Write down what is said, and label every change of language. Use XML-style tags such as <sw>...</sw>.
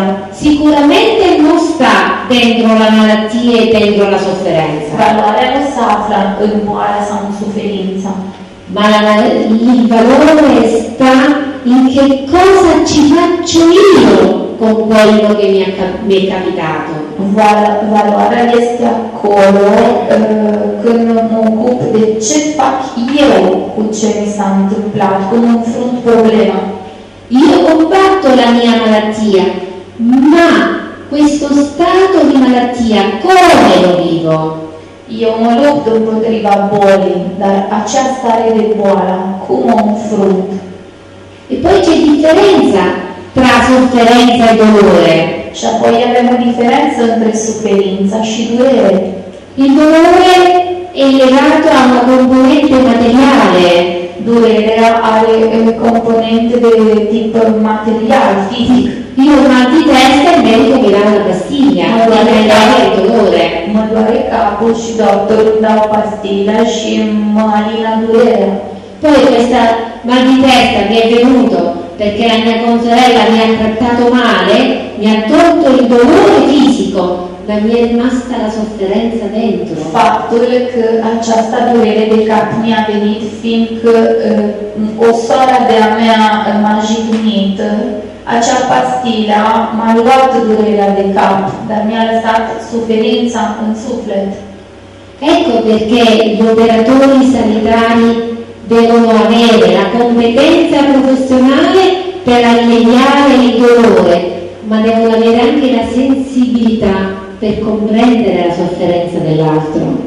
<it>sicuramente non sta dentro la malattia e dentro la sofferenza.</it> <ro>Valoarea nu se află în boală sau în suferință.</ro> <it>Ma il valore sta in che cosa ci faccio io con quello che mi è capitato.</it> <ro>Valoarea este acolo când mă ocup de ce fac eu cu ce mi s-a întâmplat, când înfrunt problema.</ro> <it>Io combatto la mia malattia, ma questo stato di malattia come lo vivo? Io</it> <ro>mă lupt împotriva bolii, dar acea stare de boală, cum o înfrunt?</ro> <it>E poi c'è differenza tra sofferenza e dolore.</it> <ro>Și apoi avem o diferență între suferință și durere.</ro> <it>Il dolore è legato a una componente materiale.</it> <ro>Durerea are componente de tip material, fizic.</ro> <it>Io ho mal di testa e medico mi dà una pastiglia.</it> <ro>Mă doare capul, dolore. Mă doare capul și doctorul îmi dă o pastiglia și mă alina durerea.</ro> <it>Poi questa mal di testa mi è venuto perché la mia consorella mi ha trattato male, mi ha tolto il dolore fisico, ma mi è rimasta la sofferenza dentro.</it> <ro>Faptul că această durere de cap mi-a venit fiindcă o soră de-a mea m-a jignit, Acea pastilă m-a luat durerea de cap, dar mi-a lăsat suferința în suflet.</ro> <it>Ecco perché gli operatori sanitari devono avere la competenza professionale per alleviare il dolore, ma devono avere anche la sensibilità per comprendere la sofferenza dell'altro.</it>